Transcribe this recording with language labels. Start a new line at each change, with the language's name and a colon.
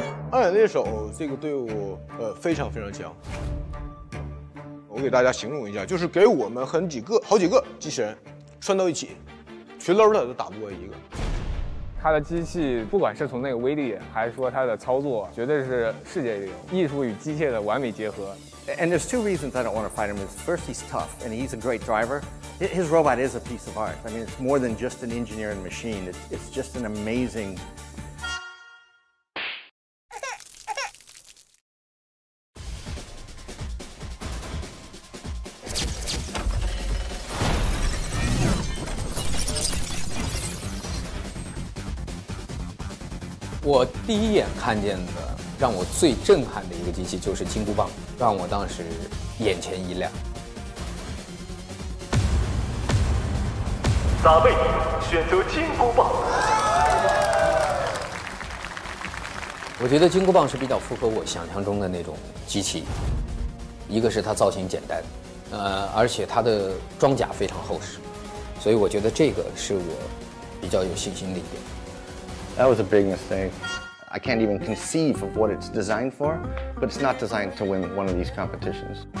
Chinese: 暗影猎手这个队伍非常非常强，我给大家形容一下，就是给我们好几个机器人拴到一起，群搂的都打不过一个。他的机器不管是从那个威力还是说他的操作，绝对是世界流，艺术与机械的完美结合。
English: And there's two reasons I don't want to fight him. First, he's tough, and he's a great driver. His robot is a piece of art. I mean, it's more than just an engineering machine. It's just an amazing.
Chinese: 我第一眼看见的，让我最震撼的一个机器就是金箍棒，让我当时眼前一亮。撒贝宁选择金箍棒。我觉得金箍棒是比较符合我想象中的那种机器，一个是它造型简单，而且它的装甲非常厚实，所以我觉得这个是我比较有信心的一点。
English: That was a big mistake. I can't even conceive of what it's designed for, but it's not designed to win one of these competitions.